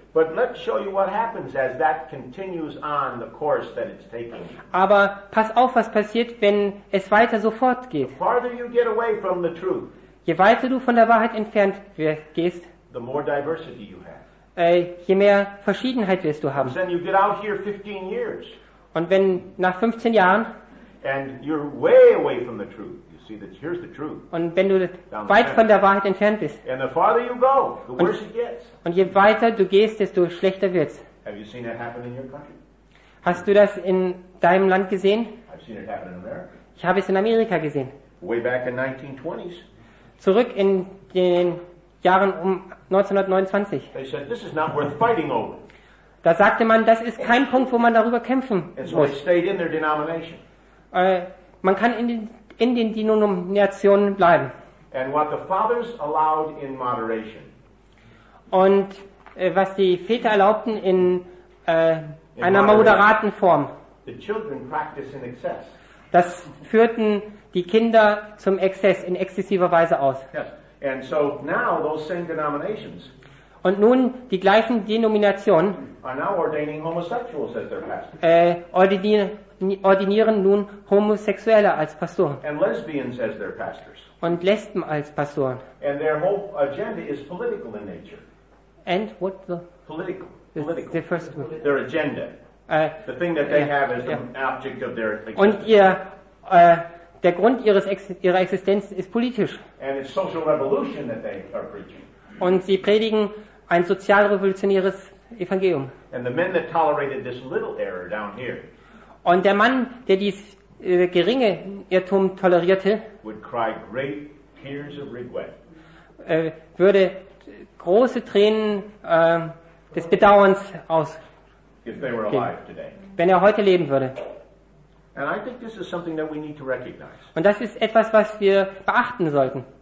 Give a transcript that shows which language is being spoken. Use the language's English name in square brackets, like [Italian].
[English] But let's show you what happens as that continues on the course that it's taking. [German] Aber pass auf, was passiert, wenn es weiter so fortgeht. [English] The farther you get away from the truth, [German] je weiter du von der Wahrheit entfernt gehst, [English] the more diversity you have. [German] Je mehr Verschiedenheit wirst du haben. [English] Then you get out here 15 years. [German] Und wenn nach 15 Jahren, [English] and you're way away from the truth. Here's the truth. [German] Und wenn du weit von der Wahrheit entfernt bist, [English] and the farther you go, the worse it gets. [German] Und je weiter du gehst, desto schlechter wird's. [English] Have you seen that happen in your country? [German] Hast du das in deinem Land gesehen? [English] I've seen it happen in America. [German] Ich habe es in Amerika gesehen. [English] Way back in 1920s. [German] Zurück in den Jahren um 1929. [English] They said, this is not worth fighting over. [German] Da sagte man, das ist kein Punkt, wo man darüber kämpfen muss. [English] And so they stayed in their denomination. [German] Man kann in den Denominationen bleiben. [English] And what the fathers allowed in moderation. [German] Und was die Väter erlaubten in einer moderaten Form. [English] The children practice in excess. [German] Das führten die Kinder zum Exzess in exzessiver Weise aus. [English] Yes. And so now those same denominations. [German] Und nun die gleichen Denominationen [English] are now ordaining homosexuals as their pastors. [German] Ordinieren nun Homosexuelle als Pastoren. [English] And lesbians as their pastors. [German] Und Lesben als Pastoren. [English] And their whole agenda is political in nature. And what the? Political. The first one. Their agenda. The thing that they have as the object of their existence. [German] Und ihr, der Grund ihrer Existenz ist politisch. [English] And it's social revolution that they are preaching. [German] Und sie predigen ein sozialrevolutionäres Evangelium. [English] And the men that tolerated this little error down here. [German] Und der Mann, der dies geringe Irrtum tolerierte, würde große Tränen des Bedauerns ausgeben, wenn er heute leben würde. [English] And I think this is something that we need to recognize. [German] Und das ist etwas, was wir beachten sollten.